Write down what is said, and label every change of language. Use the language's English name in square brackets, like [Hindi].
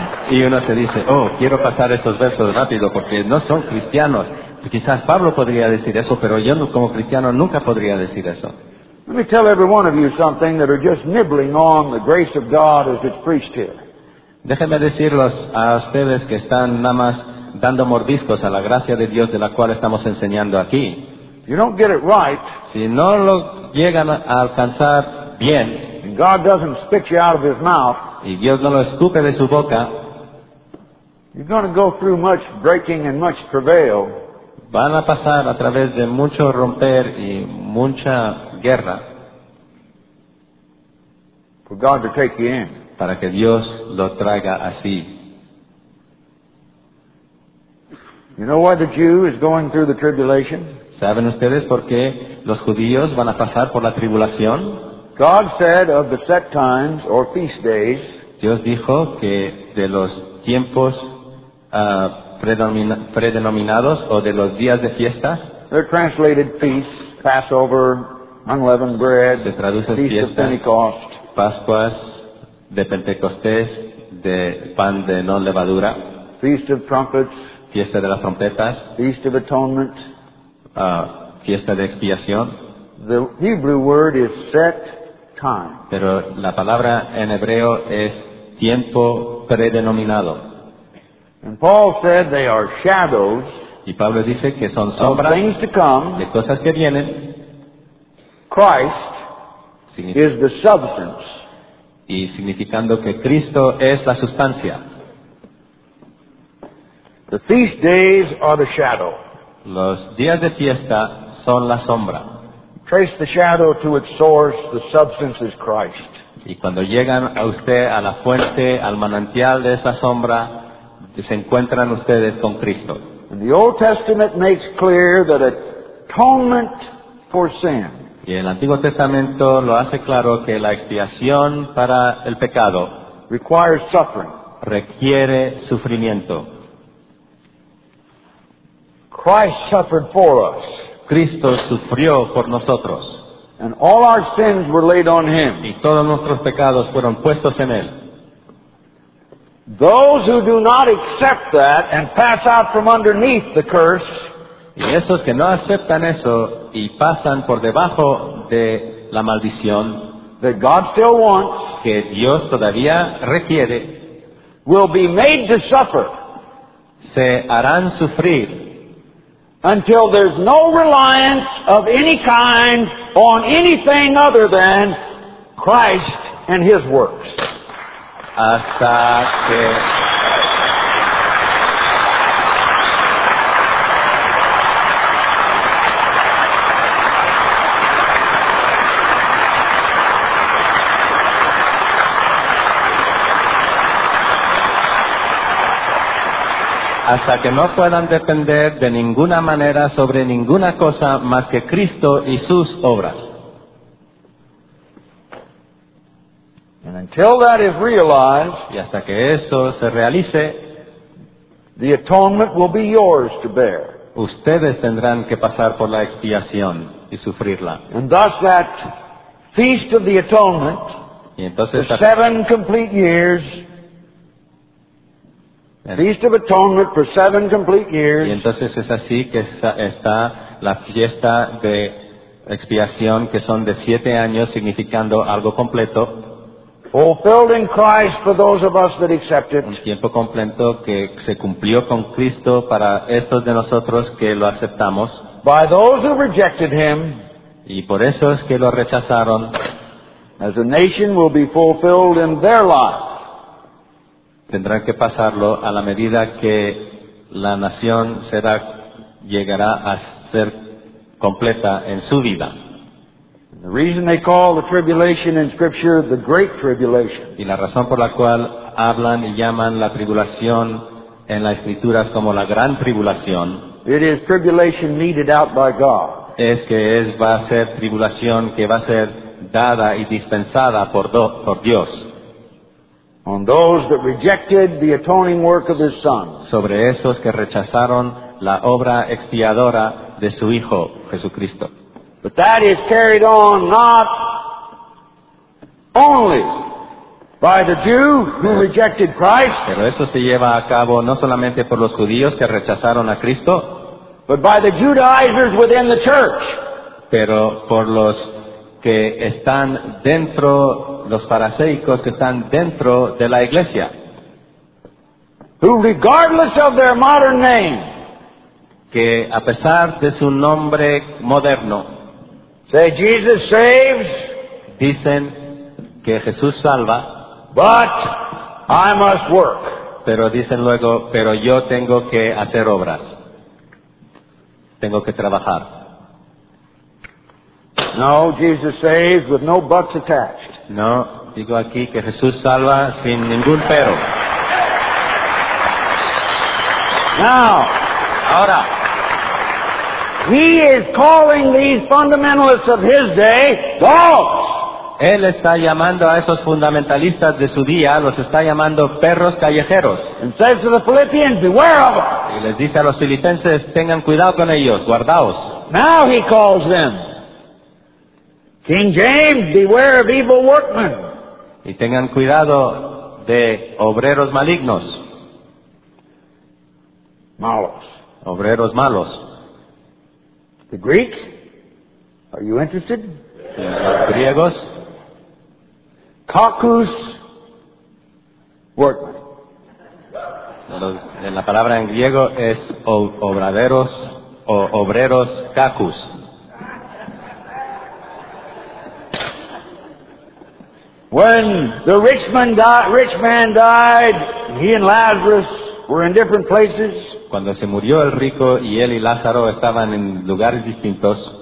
[Spanish] Y uno se dice, oh, quiero pasar estos versos rápido porque no son cristianos. Quizás Pablo podría decir eso, pero yo como cristiano nunca podría decir eso. [English] Let me tell every one of you something that are just nibbling on the grace of God as it's preached here. [Spanish] Déjenme decirles a ustedes que están nada más dando mordiscos a la gracia de Dios de la cual estamos enseñando aquí. [English] You don't get it right, [Spanish] si no lo llegan a alcanzar bien, [English] and God doesn't spit you out of his mouth, [Spanish] y Dios no lo escupe de su boca, [English] you're going to go through much breaking and much travail. [Spanish] Van a pasar a través de mucho romper y mucha guerra [English] for God to take you in. [Spanish] Para que Dios lo traiga así. [English] You know why the Jew is going through the tribulation? [Spanish] ¿Saben ustedes por qué los judíos van a pasar por la tribulación? [English] God said of the set times or feast days. [Spanish] Dios dijo que de los tiempos predenominados o de los días de fiesta. [English] They're translated feasts, Passover, unleavened bread, [Spanish] se traduce [English] feast [Spanish] fiestas, [English] of Pentecost, [Spanish] Pascuas de Pentecostés, de pan de no levadura, [English] feast of trumpets, [Spanish] fiesta de las trompetas, [English] feast of atonement, [Spanish] fiesta de expiación. [English] The Hebrew word is set time. [Spanish] Pero la palabra en hebreo es tiempo predenominado. [English] And Paul said they are shadows. [Spanish] Y Pablo dice que son sombras [English] of things to come. [Spanish] De cosas que vienen. [English] Christ is the substance. [Spanish] Y significando que Cristo es la sustancia. [English] The feast days are the shadow. [Spanish] Los días de fiesta son la sombra. [English] Trace the shadow to its source, the substance is Christ. [Spanish] Y cuando llegan a usted a la fuente, al manantial de esa sombra, se encuentran ustedes con Cristo. [English] And the Old Testament makes clear that atonement for sin. [Spanish] Y el Antiguo Testamento lo hace claro que la expiación para el pecado [English] requires suffering. [Spanish] Requiere sufrimiento. [English] Christ suffered for us. [Spanish] Cristo sufrió por nosotros. [English] And all our sins were laid on him. [Spanish] Y todos nuestros pecados fueron puestos en él. [English] Those who do not accept that and pass out from underneath the curse. [Spanish] Y esos que no aceptan eso y pasan por debajo de la maldición [English] that God still wants, [Spanish] que Dios todavía requiere, [English] will be made to suffer. [Spanish] Se harán sufrir. [English] Until there's no reliance of any kind on anything other than Christ and his works. [Spanish] Hasta que hasta que no puedan depender de ninguna manera sobre ninguna cosa más que Cristo y sus obras. [English] And until that is realized, [Spanish] y hasta que eso se realice, [English] the atonement will be yours to bear. [Spanish] Ustedes tendrán que pasar por la expiación y sufrirla. [English] And thus that feast of the atonement, [Spanish] y entonces, [English] the seven complete years, feast of atonement for seven complete years. [Spanish] Y entonces es así que está la fiesta de expiación, que son de 7 años, significando algo completo. [English] Fulfilled in Christ for those of us that accept it. [Spanish] Un tiempo completo que se cumplió con Cristo para estos de nosotros que lo aceptamos. [English] By those who rejected him. [Spanish] Y por esos que lo rechazaron. [English] As a nation will be fulfilled in their life. [Spanish] Tendrán que pasarlo a la medida que la nación llegará a ser completa en su vida. [English] The reason they call the tribulation in Scripture the great tribulation. [Spanish] Y la razón por la cual hablan y llaman la tribulación en las Escrituras como la gran tribulación. [English] It is tribulation meted out by God. [Spanish] Es que va a ser tribulación que va a ser dada y dispensada por Dios. [English] On those that rejected the atoning work of His Son. [Spanish] Sobre esos que rechazaron la obra expiadora de su Hijo Jesucristo. [English] But that is carried on not only by the Jew who rejected Christ. [Spanish] Pero eso se lleva a cabo no solamente por los judíos que rechazaron a Cristo. [English] But by the Judaizers within the church. [Spanish] Pero por los que están dentro, los fariseos que están dentro de la iglesia. [English] Who, regardless of their modern name, [Spanish] que a pesar de su nombre moderno, [English] say Jesus saves, [Spanish] dicen que Jesús salva, [English] but I must work. [Spanish] Pero dicen luego, pero yo tengo que hacer obras. Tengo que trabajar. [English] No, Jesus saves with no buts attached. [Spanish] No, digo aquí que Jesús salva sin ningún pero. [English] Now, [Spanish] ahora, [English] he is calling these fundamentalists of his day dogs. [Spanish] Él está llamando a esos fundamentalistas de su día, los está llamando perros callejeros. [English] And says to the Philippians, beware of them. [Spanish] Y les dice a los filipenses, tengan cuidado con ellos, guardaos. [English] Now he calls them. King James, beware of evil workmen. [Spanish] Y tengan cuidado de obreros malignos. Malos. Obreros malos. [English] The Greeks, are you interested? [Spanish] Los griegos. [English] Kakus workmen. [Spanish] La palabra en griego es obraderos o obreros kakus. [English] When the rich man died, he and Lazarus were in different places. [Spanish] Cuando se murió el rico y él y Lázaro estaban en lugares distintos.